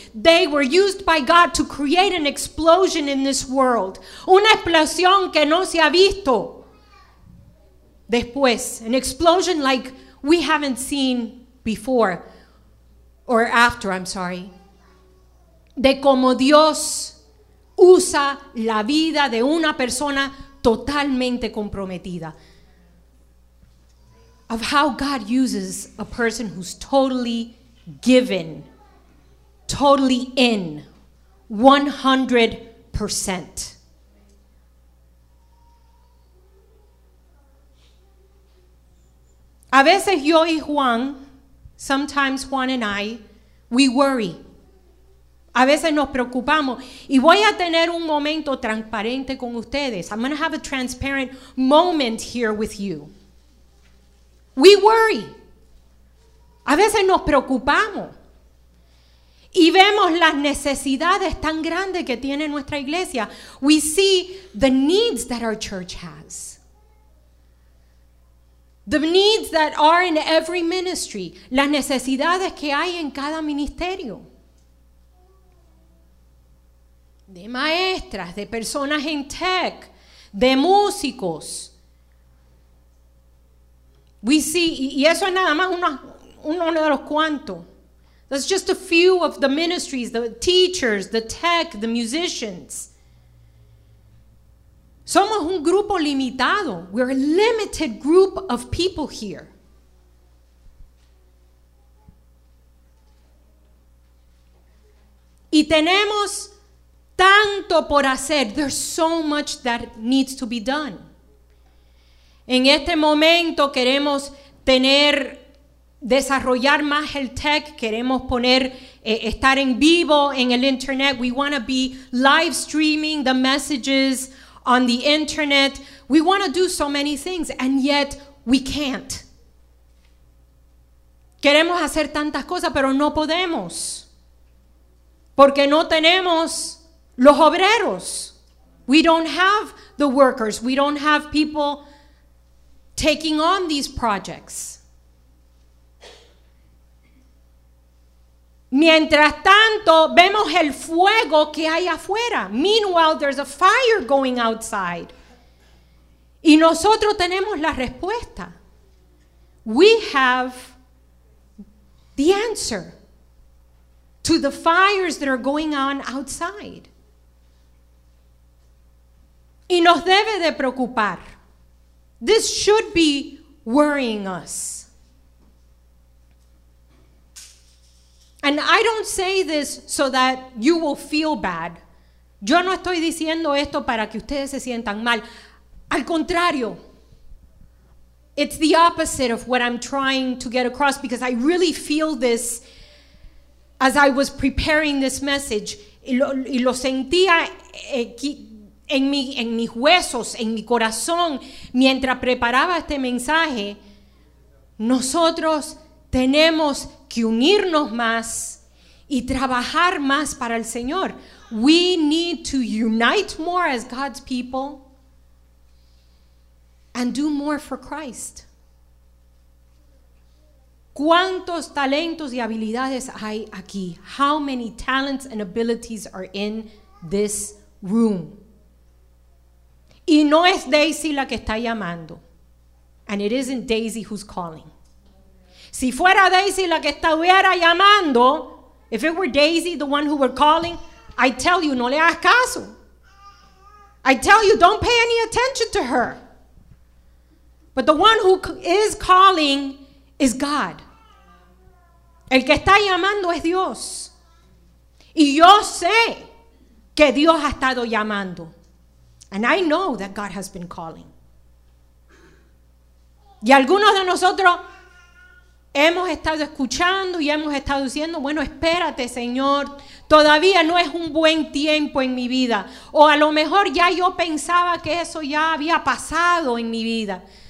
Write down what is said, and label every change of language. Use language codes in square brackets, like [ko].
[en] They were used by God to create an explosion in this world. [es] Una explosión que no se ha visto después. [en] An explosion like we haven't seen before or after, I'm sorry. [es] De cómo Dios usa la vida de una persona totalmente comprometida. [en] Of how God uses a person who's totally given, totally in, 100%. [es] A veces yo y Juan, [en] sometimes Juan and I, we worry. [es] A veces nos preocupamos. Y voy a tener un momento transparente con ustedes. [en] I'm going to have a transparent moment here with you. We worry. [es] A veces nos preocupamos. Y vemos las necesidades tan grandes que tiene nuestra iglesia. [en] We see the needs that our church has. The needs that are in every ministry. [es] Las necesidades que hay en cada ministerio. De maestras, de personas en tech, de músicos. [en] We see, [es] y eso es nada más uno de los cuantos. [en] That's just a few of the ministries, the teachers, the tech, the musicians. [es] Somos un grupo limitado. [en] We're a limited group of people here. [es] Y tenemos tanto por hacer. [en] There's so much that needs to be done. [es] En este momento queremos tener, desarrollar más el tech. Queremos poner, estar en vivo en el internet. [en] We want to be live streaming the messages on the internet. We want to do so many things, and yet we can't. [es] Queremos hacer tantas cosas, pero no podemos. Porque no tenemos los obreros. [en] We don't have the workers. We don't have people taking on these projects. [es] Mientras tanto, vemos el fuego que hay afuera. [en] Meanwhile, there's a fire going outside. [es] Y nosotros tenemos la respuesta. [en] We have the answer to the fires that are going on outside. [es] Y nos debe de preocupar. [en] This should be worrying us. And I don't say this so that you will feel bad. [es] Yo no estoy diciendo esto para que ustedes se sientan mal. Al contrario. [en] It's the opposite of what I'm trying to get across, because I really feel this as I was preparing this message. [es] Y lo sentía en mis huesos, en mi corazón, mientras preparaba este mensaje. Nosotros tenemos que unirnos más y trabajar más para el Señor. [en] We need to unite more as God's people and do more for Christ. [es] ¿Cuántos talentos y habilidades hay aquí? [en] How many talents and abilities are in this room? [es] Y no es Daisy la que está llamando. [en] And it isn't Daisy who's calling. [es] Si fuera Daisy la que estuviera llamando, [en] if it were Daisy the one who were calling, I tell you, [es] no le hagas caso. [en] I tell you, don't pay any attention to her. But the one who is calling is God. [es] El que está llamando es Dios. Y yo sé que Dios ha estado llamando. And I know that God has been calling. Y algunos de nosotros hemos estado escuchando y hemos estado diciendo, bueno, espérate, Señor, todavía no es un buen tiempo en mi vida. O a lo mejor ya yo pensaba que eso ya había pasado en mi vida.